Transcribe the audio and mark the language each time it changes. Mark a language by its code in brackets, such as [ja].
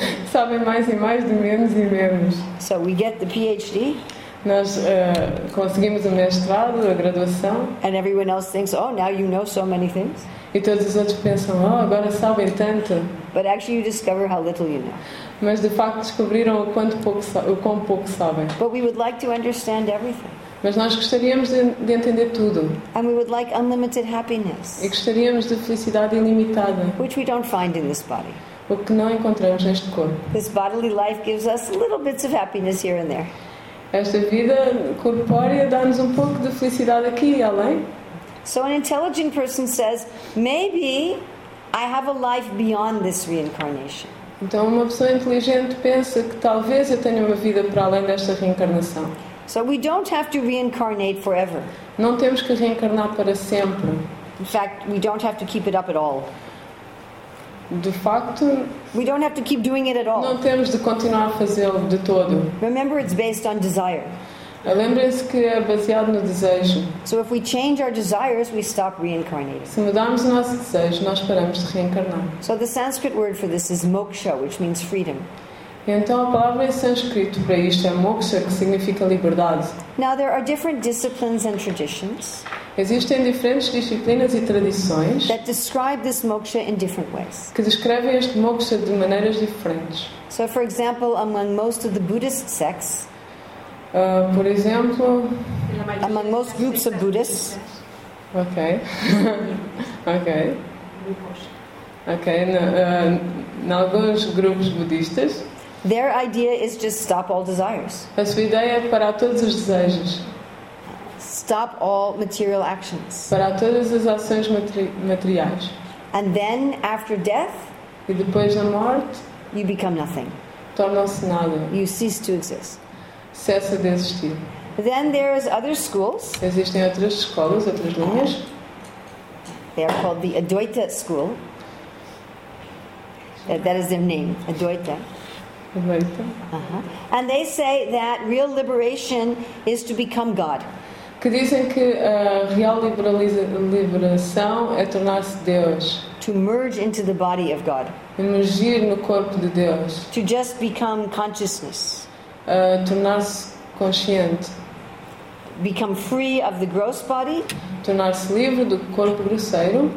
[pt] sabes mais e mais de menos e menos. Sabem mais e mais de menos e menos. [en] So we get the PhD. [pt] Nós conseguimos o mestrado, a graduação. [en] And everyone else thinks, oh, now you know so many things. [pt] E todos os outros pensam, oh, agora sabem tanto. [en] But actually you discover how little you know. [pt] Mas de facto descobriram o quão pouco sabem. [en] But we would like to understand everything. [pt] Mas nós gostaríamos de entender tudo. [en] And we would like unlimited happiness. [pt] E gostaríamos de felicidade ilimitada. [en] Which we don't find in this body. [pt] O que não encontramos neste corpo. [en] This bodily life gives us little bits of happiness here and there. [pt] Esta vida corpórea dá-nos um pouco de felicidade aqui e além. [en] So an intelligent person says, maybe I have a life beyond this reincarnation. [pt] Então uma pessoa inteligente pensa que talvez eu tenha uma vida para além desta reencarnação. [en] So we don't have to reincarnate forever. [pt] Não temos que reencarnar para sempre. [en] In fact, we don't have to keep it up at all. [pt] De facto, [en] we don't have to keep doing it at all. [pt] Não temos de continuar a fazê-lo de todo. [en] Remember, it's based on desire. [pt] Lembrem-se que é baseado no desejo. [en] So if we change our desires, we stop reincarnating. [pt] Se mudarmos o nosso desejo, nós paramos de reencarnar. [en] So the Sanskrit word for this is moksha, which means freedom. [pt] Então a palavra em sânscrito para isto é moksha, que significa liberdade. [en] Now there are different disciplines and traditions. [pt] Existem diferentes disciplinas e tradições [en] that describe this moksha in different ways. [pt] Que descrevem este moksha de maneiras diferentes. [en] So for example, among most of the Buddhist sects, [pt] por exemplo, [en] among most groups of Buddhists, okay, okay, okay, [pt] em alguns grupos budistas. [en] Their idea is just stop all desires. [pt] A sua ideia é parar todos os desejos. [en] Stop all material actions. [pt] Parar todas as ações materiais. [en] And then after death, [pt] e depois da morte, [en] you become nothing. [pt] Torna-se nada. [en] You cease to exist. [pt] Cessa de existir. [en] Then there is other schools. [pt] Existem outras escolas, outras linhas. [en] They are called the Advaita school. That is their name, Advaita. Uh-huh. And they say that real liberation is to become God. [pt] que dizem que a real liberação é tornar-se Deus. [en] To merge into the body of God. [pt] Emergir no corpo de Deus. [en] To just become consciousness. [pt] Tornar-se consciente. [en] Become free of the gross body. [pt] Tornar-se livre do corpo grosseiro.